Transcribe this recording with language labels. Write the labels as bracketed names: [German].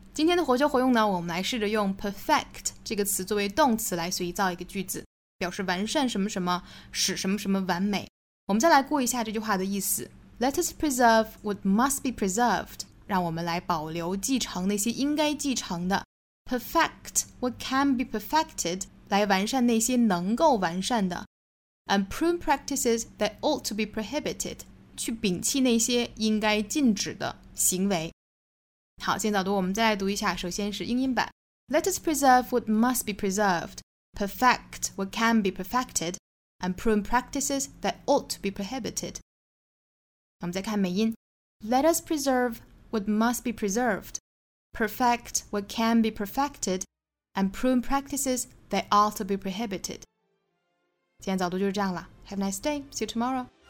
[Chinese] 今天的活学活用呢，我们来试着用 perfect 这个词作为动词来随意造一个句子，表示完善什么什么，使什么什么完美。我们再来过一下这句话的意思。 [English] Let us preserve what must be preserved. [Chinese] 让我们来保留继承那些应该继承的。 [English] Perfect what can be perfected. [Chinese] 来完善那些能够完善的。 [English] And prune practices that ought to be prohibited. [Chinese] 去摒弃那些应该禁止的行为。好，先早读，我们再来读一下，首先是英音版。 [English] Let us preserve what must be preserved. Perfect what can be perfected. And prune practices that ought to be prohibited. [Chinese] 我们再看美音。 [English] Let us preserve what must be preserved, perfect what can be perfected, and prune practices that ought to be prohibited. [Chinese] 今天早读就是这样了。 [English] Have a nice day. See you tomorrow.